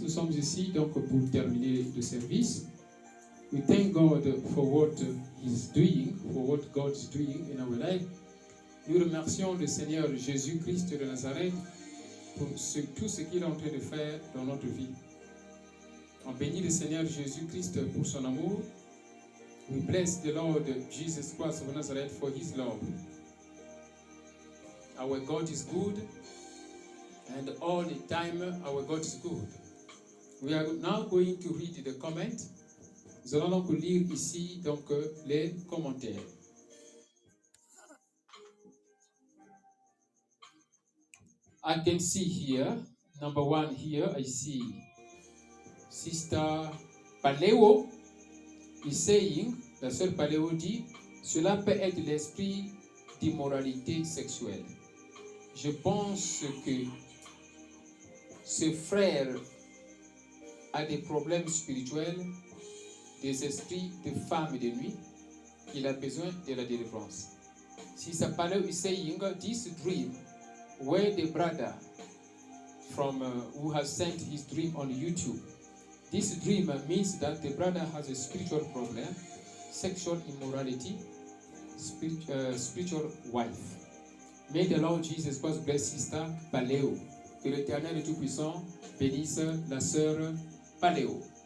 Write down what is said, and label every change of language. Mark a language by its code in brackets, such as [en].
[fr] Nous sommes ici donc pour terminer le service. [en] We thank God for what He's doing, for what God's doing in our life. [fr] Nous remercions le Seigneur Jésus-Christ de Nazareth pour tout ce qu'il est en train de faire dans notre vie. On bénit le Seigneur Jésus-Christ pour son amour. [en] We bless the Lord Jesus Christ of Nazareth for His love. Our God is good, and all the time our God is good. We are now going to read the comment. [fr] Nous allons donc lire ici donc les commentaires. [en] I can see here, number one here, I see Sister Paleo is saying, [fr] la sœur Paléo dit, cela peut être l'esprit d'immoralité sexuelle. Je pense que ce frère a des problèmes spirituels, des esprits de femme de nuit. Il a besoin de la délivrance. Si ça parle, il [en] say, Yinga, this dream, where the brother from who has sent his dream on YouTube, this dream means that the brother has a spiritual problem, sexual immorality, spiritual wife. May the Lord Jesus Christ bless sister Paléo. [fr] Que l'Éternel Tout-Puissant bénisse la sœur Paléo.